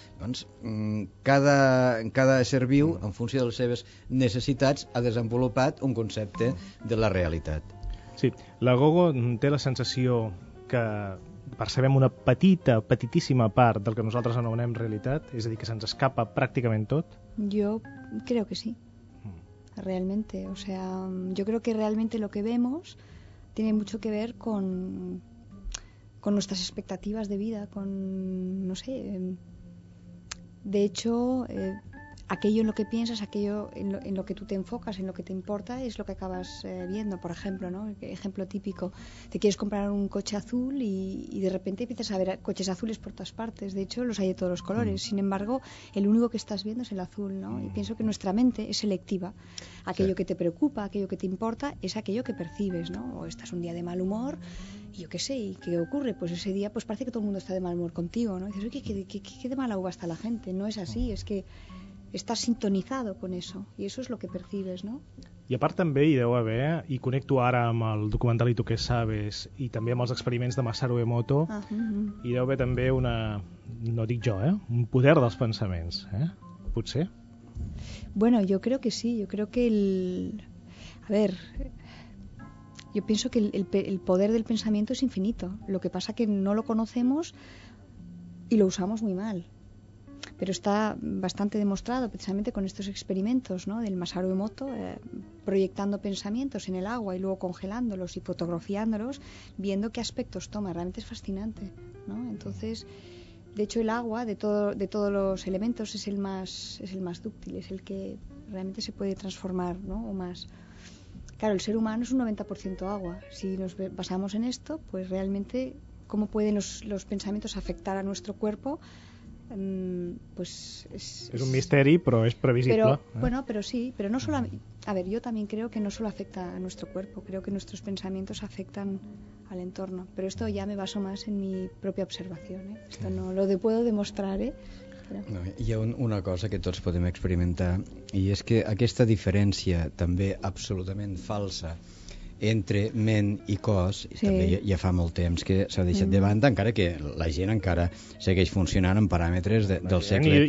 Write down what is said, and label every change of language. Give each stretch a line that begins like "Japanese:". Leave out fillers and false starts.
Catalan: Doncs cada ésser viu, en funció de les seves necessitats, ha desenvolupat un concepte de la realitat. Sí, la Gogo té la sensació que percebem una petita, petitíssima part del que nosaltres anomenem realitat, és a dir, que se'ns escapa pràcticament tot? Jo crec que sí.
Spanish: Realmente, o sea, yo creo que realmente lo que vemos tiene mucho que ver con nuestras expectativas de vida, con, no sé, de hecho, aquello en lo que piensas, aquello en lo que tú te enfocas, en lo que te importa, es lo que acabas viendo, por ejemplo, ¿no? Ejemplo típico, te quieres comprar un coche azul y de repente empiezas a ver coches azules por todas partes, de hecho, los hay de todos los colores, sin embargo, el único que estás viendo es el azul, ¿no? Y pienso que nuestra mente es selectiva, aquello que te preocupa, aquello que te importa, es aquello que percibes, ¿no? O estás un día de mal humor, yo qué sé, ¿y qué ocurre? Pues ese día pues parece que todo el mundo está de mal humor contigo, ¿no? Y dices, ¿qué de mala uva está la gente? No es así,
Catalan: es que estàs sintonitzat amb això, i això és el que percibes, no? I a part també hi deu haver, i connecto ara amb el documental I tu què sabes, i també amb els experiments de Masaru Emoto, hi deu haver també una, no dic jo, un poder dels pensaments, potser?
Spanish: Bueno, yo creo que sí, yo creo que el... A ver, yo pienso que el poder del pensamiento es infinito, lo que pasa que no lo conocemos y lo usamos muy mal. Pero está bastante demostrado precisamente con estos experimentos, ¿no? Del Masaru Emoto, proyectando pensamientos en el agua y luego congelándolos y fotografiándolos, viendo qué aspectos toma. Realmente es fascinante, ¿no? Entonces, de hecho, el agua, de todos los elementos, es el más dúctil, es el que realmente se puede transformar, ¿no? O más. Claro, el ser humano es un 90% agua. Si nos basamos en esto, pues realmente, ¿cómo pueden los pensamientos afectar a nuestro cuerpo? Pues es
Catalan: un misteri, però és previsible.
Spanish: Pero, bueno, pero sí, pero no solo a ver, yo también creo que no solo afecta a nuestro cuerpo, creo que nuestros pensamientos afectan al entorno, pero esto ya me baso más en mi propia observación, ¿eh? Esto no lo puedo demostrar, ¿eh?
Catalan: No, hi ha una cosa que tots podem experimentar i és que aquesta diferència també absolutament falsa entre ment i cos, i també ja fa molt temps que s'ha deixat de banda, encara que la gent encara segueix funcionant en paràmetres del segle...